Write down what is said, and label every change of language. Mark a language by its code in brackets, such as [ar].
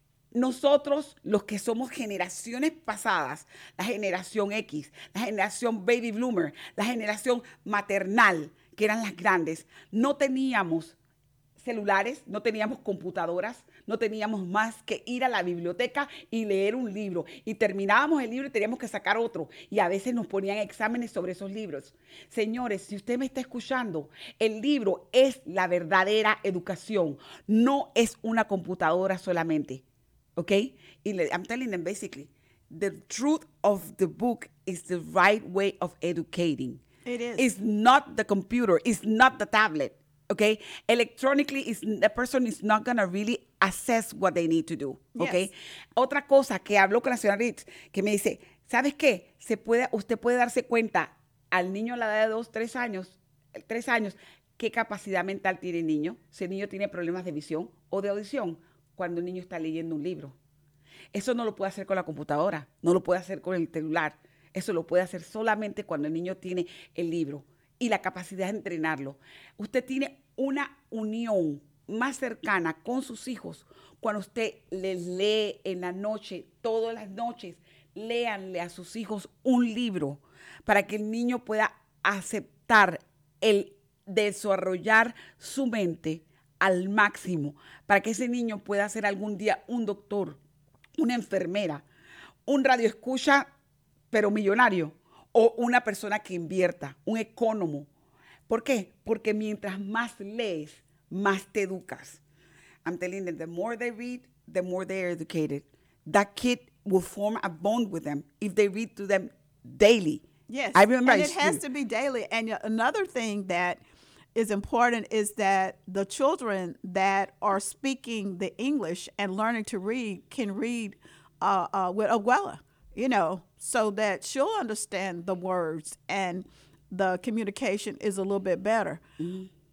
[es] Nosotros, los que somos generaciones pasadas, la generación X, la generación baby bloomer, la generación maternal, que eran las grandes, no teníamos celulares, no teníamos computadoras, no teníamos más que ir a la biblioteca y leer un libro. Y terminábamos el libro y teníamos que sacar otro. Y a veces nos ponían exámenes sobre esos libros. Señores, si usted me está escuchando, el libro es la verdadera educación. No es una computadora solamente. [en] Okay, I'm telling them basically, the truth of the book is the right way of educating. It is. It's not the computer. It's not the tablet. Okay, electronically, is the person is not gonna really assess what they need to do. Okay. Yes. [es] Otra cosa que habló con la señora Ritz, que me dice, ¿sabes qué? Usted puede darse cuenta al niño a la edad de tres años, qué capacidad mental tiene el niño. Si el niño tiene problemas de visión o de audición. Cuando un niño está leyendo un libro. Eso no lo puede hacer con la computadora, no lo puede hacer con el celular. Eso lo puede hacer solamente cuando el niño tiene el libro y la capacidad de entrenarlo. Usted tiene una unión más cercana con sus hijos cuando usted les lee en la noche, todas las noches, léanle a sus hijos un libro para que el niño pueda aceptar el desarrollar su mente al máximo, para que ese niño pueda ser algún día un doctor, una enfermera, un radioescucha, pero millonario, o una persona que invierta, un economo. ¿Por qué? Porque mientras más lees, más te educas. [en] I'm telling them, the more they read, the more they are educated. That kid will form a bond with them if they read to them daily. Yes. I remember and it has to be daily. And another thing that is important is that the children that are speaking the English and learning to read can read with abuela, you know, so that she'll understand the words and the communication is a little bit better. Mm-hmm.